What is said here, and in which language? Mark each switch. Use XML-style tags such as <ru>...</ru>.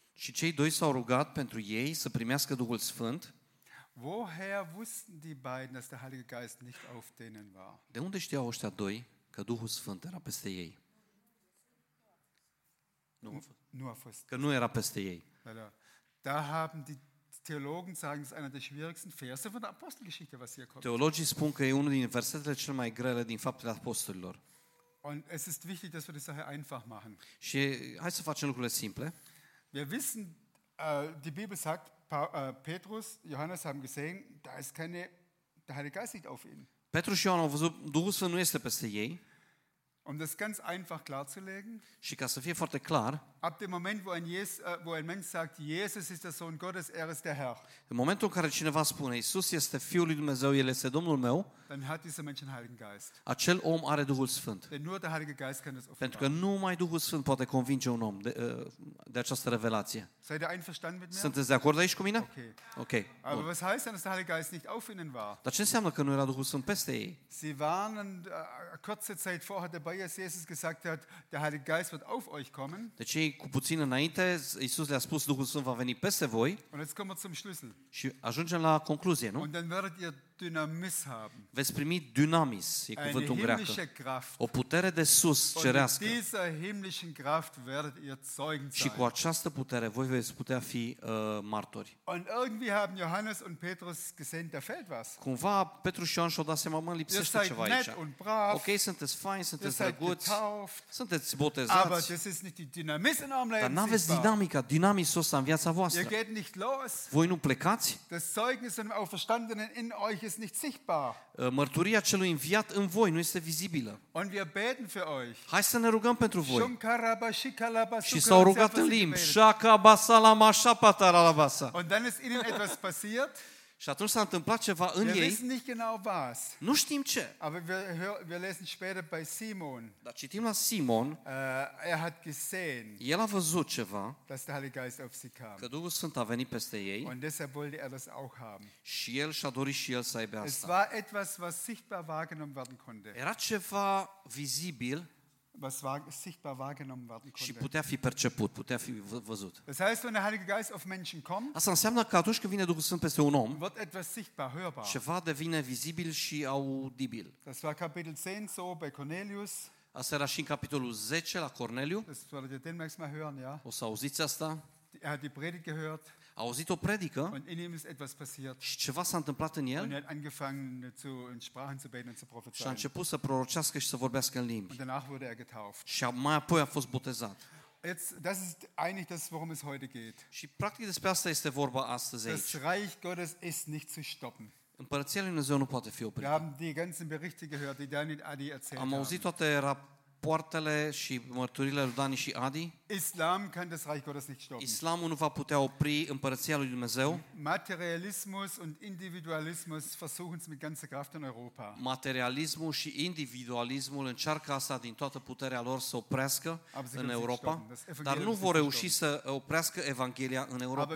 <ro>Și cei doi s-au rugat pentru ei să primească Duhul Sfânt.</ro> <de>Woher wussten die beiden, dass der Heilige Geist nicht auf denen war?</de> <ro>De unde știau ăștia doi că Duhul Sfânt era peste ei? Nu a fost. Că nu era peste ei.</ro> <de>Da haben die Theologen sagen, es ist einer der schwierigsten Verse von der Apostelgeschichte, was hier kommt.</de> <ro>Teologii spun că e unul din versetele cel mai grele din Faptele Apostolilor.</ro> <de>Und es ist wichtig, dass wir die Sache einfach machen.</de> <ro>Și hai să facem lucrurile simple.</ro> <de>Wir wissen, die Bibel sagt, Petrus, Johannes haben gesehen, da ist keine, der Heilige Geist liegt auf ihnen.</de> <ro>Petru și Ioan au văzut, Duhul Sfânt nu este peste ei.</ro> <de>Um das ganz einfach klarzulegen.</de> <ro>Și ca să fie foarte clar.</ro> <de>Ab dem Moment, wo ein Mensch sagt, Jesus ist der Sohn Gottes, er ist der Herr.</de> <ro>În momentul în care cineva spune, Iisus este Fiul lui Dumnezeu, El este Domnul meu.</ro> <de>Dann hat dieser Mensch den Heiligen Geist.</de> <ro>Acel om are Duhul Sfânt.</ro> <de>Denn nur der Heilige Geist kann das offenbaren.</de> <ro>Pentru că numai Duhul Sfânt poate convinge un om de această revelație.</ro> <de>Seid ihr einverstanden mit mir?</de> <ro>Sunteți de acord aici cu mine?</ro> <en>Okay.</en> <de>Aber was heißt denn, dass der Heilige Geist nicht auf ihnen war?</de> <ro>Dar ce înseamnă că nu era Duhul Sfânt peste ei?</ro> <de>Sie waren kurze Zeit vorher dabei. Als Jesus gesagt hat, der Heilige Geist wird auf euch kommen.</de> <ro>Deci, cu puțin înainte, Iisus le-a spus, Duhul Sfânt va veni peste voi.</ro> <de>Und jetzt kommen wir zum Schlüssel.</de> <ro>Și ajungem la concluzie, nu?</ro> <de>Und dann werdet ihr dynamis haben.</de> <ro>Veți primi dynamis, e cuvântul în greacă. O putere de sus cerească.</ro> <de>Und mit dieser himmlischen Kraft werdet ihr Zeugen sein.</de> <ro>Și cu această putere voi veți putea fi martori.</ro> <de>Und irgendwie haben Johannes und Petrus gesehen, da fehlt was.</de> <ro>Cumva Petru și Ioan și-au dat seama, mă, lipsește ceva aici.</ro> <de>Net und brav,</de> <ro>ok, sunteți fain, sunteți drăguți,</ro> <de>getauft,</de> <ro>sunteți botezați.</ro> <de>Aber das ist nicht die Dynamis in eurem Leben.</de> <ro>Dar n-aveți dinamica, dynamisul ăsta în viața voastră.</ro> <de>Ihr geht nicht los.</de> <ro>Voi nu plecați.</ro> <de>Das Zeugnis im Auferstandenen in euch ist nicht sichtbar.</de> <ro>Mărturia celui înviat în voi nu este vizibilă.</ro> <de>Und wir beten für euch.</de> <ro>Hai să ne rugăm pentru voi. Și s-au rugat în limbi. Shakabasalamashapataralabasa.</ro> <de>Und dann ist ihnen etwas passiert.</de> <ro>Și atunci s-a întâmplat ceva în</ro> <de>ei. Wir wissen nicht genau was.</de> <ro>Nu știm ce.</ro> <de>Aber wir lesen später bei Simon.</de> <ro>Dar citim la Simon.</ro> <de>Er hat gesehen.</de> <ro>El a văzut ceva.</ro> <de>Dass der Heilige Geist auf sie kam.</de> <ro>Că Duhul Sfânt a venit peste ei.</ro> <de>Und deshalb wollte er das auch haben.</de> <ro>Și el și-a dorit și el să aibă asta.</ro> <de>Es war etwas, was sichtbar wahrgenommen werden konnte.</de> <ro>Era ceva vizibil.</ro> <de>Was war sichtbar wahrgenommen werden konnte.</de> <ro>Și putea fi perceput, putea fi văzut.</ro> <de>Das heißt, wenn der Heilige Geist auf Menschen kommt.</de> <ro>Asta înseamnă că atunci când vine Duhul Sfânt peste un om,</ro> <de>wird etwas sichtbar, hörbar.</de> <ro>Ceva devine vizibil și audibil.</ro> <de>Das war Kapitel 10 so bei Cornelius.</de> <ro>Asta era și în capitolul 10 la Corneliu.</ro> <de>Das solltet ihr demnächst mal hören, ja.</de> <ro>O să auziți asta.</ro> <de>Er hat die Predigt gehört.</de> <ro>A auzit o predică.</ro> <de>Und in ihm ist etwas passiert.</de> <ro>Și ceva s-a întâmplat în el.</ro> <de>Und er hat angefangen zu in Sprachen zu beten und zu prophezeien.</de> <ro>Și a început să prorocească și să vorbească în limbi.</ro> <de>Und danach wurde er getauft.</de> <ro>Și mai apoi a fost botezat.</ro> <de>Jetzt, das ist eigentlich das, worum es heute geht.</de> <ro>Și practic despre asta este vorba astăzi.</ro> <de>Das Reich Gottes ist nicht zu stoppen.</de> <ro>Împărăția lui Dumnezeu nu poate fi oprită.</ro> <de>Wir haben die ganzen Berichte gehört, die Daniel Adi erzählt.</de> <ro>Am auzit toate rapoartele și mărturile lui Dani și Adi.</ro> <de>Islam kann das Reich Gottes nicht stoppen.</de> <ro>Islamul nu va putea opri împărăția lui Dumnezeu.</ro> <de>Materialismus und individualismus versuchen es mit ganzer Kraft in Europa.</de> <ro>Materialismul și individualismul încearcă asta din toată puterea lor să oprească în Europa, dar nu vor reuși să oprească evanghelia în Europa.</ro>